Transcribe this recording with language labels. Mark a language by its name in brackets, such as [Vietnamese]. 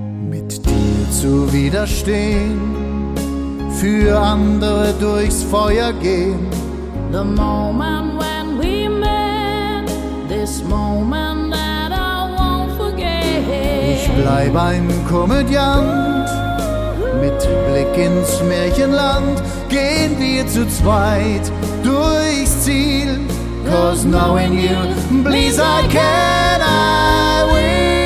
[German] Mit dir zu widerstehen, für andere durchs Feuer gehen. [English] The moment when we met, this moment that I won't forget. [German] Ich bleib ein Komödiant, mit Blick ins Märchenland, gehen wir zu zweit durchs Ziel. [English] Cause knowing you, please I can, I will.